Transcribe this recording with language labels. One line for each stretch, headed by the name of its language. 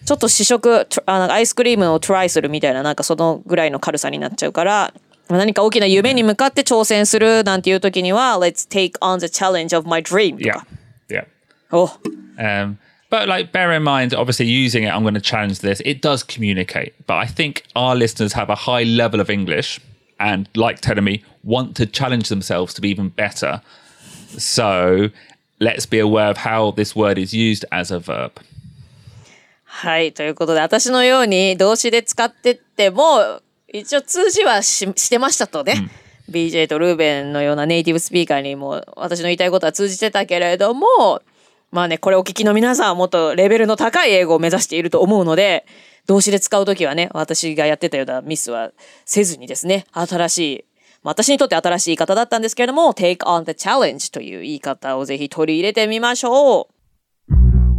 Japanese: ちょっと試食、あ、なんかアイスクリームをトライするみたいな、なんかそのぐらいの軽さになっちゃうから、何か大きな夢に向かって挑戦するなんていう時には、
English: Let's take on the challenge of my dream とか。 Yeah. Oh. But like, bear in mind, obviously using it, I'm going to challenge this. It does communicate. But I think our listeners have a high level of English and, like telling me, want to challenge themselves to be even better. So let's be aware of how this word is used as a verb.
Japanese: はい、ということで、私のように動詞で使ってても、一応通じは してましたとね。 Mm. BJ とルーベンのようなネイティブスピーカーにも私の言いたいことは通じてたけれども、まあね、これお聞きの皆さんはもっとレベルの高い英語を目指していると思うので、動詞で使うときはね、私がやってたようなミスはせずにですね、新しい、まあ、私にとって新しい言い方だったんですけれども、
English: take on the challenge
Japanese: という言い方をぜひ取り入れてみましょう。